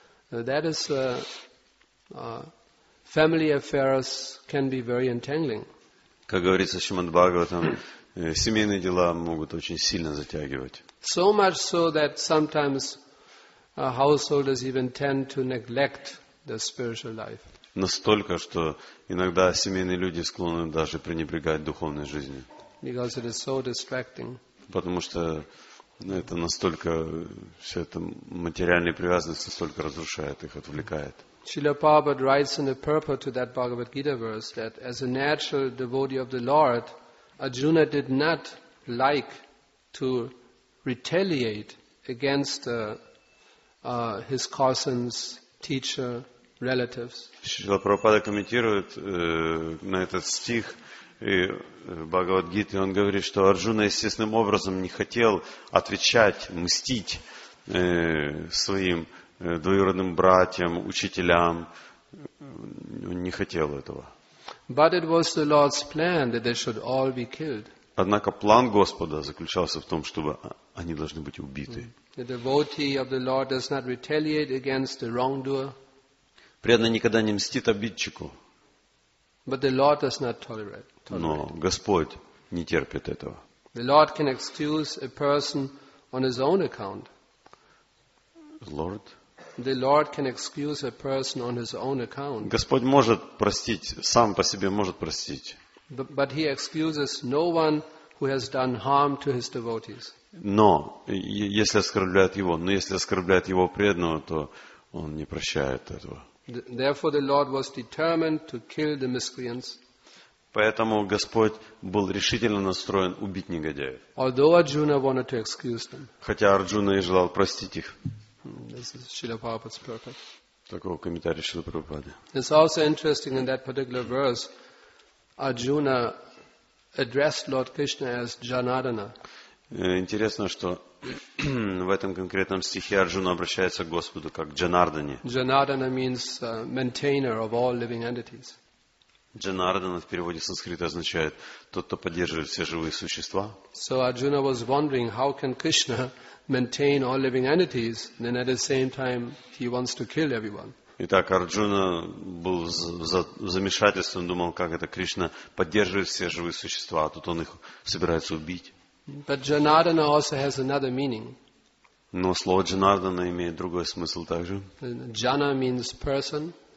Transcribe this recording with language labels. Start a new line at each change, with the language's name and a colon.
English: That is, family affairs can be very entangling.
Russian: Как говорится в Шримад Бхагаватам, семейные дела могут очень сильно затягивать.
English: So much so that sometimes householders even tend to neglect the spiritual life.
Russian: Настолько, что иногда семейные люди склонны даже пренебрегать духовной жизнью.
English: Because it is so distracting.
Russian: Потому что это настолько все это материальные привязанности настолько разрушает их, отвлекает.
English: Srila Prabhupada writes in the purport to that Bhagavad Gita verse that as a natural devotee of the Lord, Arjuna did not like to retaliate against his cousins, teacher.
Russian: Шрила Прабхупада комментирует на этот стих Бхагавад-гиты, он говорит, что Арджуна естественным образом не хотел отвечать, мстить своим двоюродным братьям, учителям. Он не хотел этого.
English: But it was the Lord's plan that they should all be killed.
Russian: Однако план Господа заключался в том, чтобы они должны быть убиты.
English: The devotee of the Lord does not retaliate against the wrongdoer.
Russian: Преданный никогда не мстит обидчику.
English: But the Lord does not tolerate.
Russian: Но Господь не терпит этого.
English: The Lord can excuse a person on his own account. Lord? The Lord can excuse a person on his own account.
Russian: Господь может простить, сам по себе может простить.
English: But he excuses no one who has done harm to his devotees.
Russian: Но если оскорбляет его, но если оскорбляет его преданного, то он не прощает этого.
English: Therefore, the Lord was determined to kill the miscreants.
Russian: Поэтому Господь был решительно настроен убить негодяев.
English: Although Arjuna wanted to excuse them.
Russian: Хотя Арджуна и желал простить их.
English: This is Srila Prabhupada's purport.
Russian: Такого комментария Шрила Прабхупады.
English: It's also interesting in that particular verse, Arjuna addressed Lord Krishna as Janardana.
Russian: Интересно, что в этом конкретном стихе Арджуна обращается к Господу как Джанардане.
English: Janardana means maintainer of all living entities.
Russian: Джанардана в переводе с санскрита означает тот, кто поддерживает все живые существа.
English: So Arjuna was wondering, how can Krishna maintain all living entities, and at the same time he wants to kill everyone.
Russian: Итак, Арджуна был в замешательстве, он думал, как это Кришна поддерживает все живые существа, а тут он их собирается убить.
English: But Janardana also has another meaning.
Russian: Но слово Джанардана имеет другой смысл также.
English: Jana means person.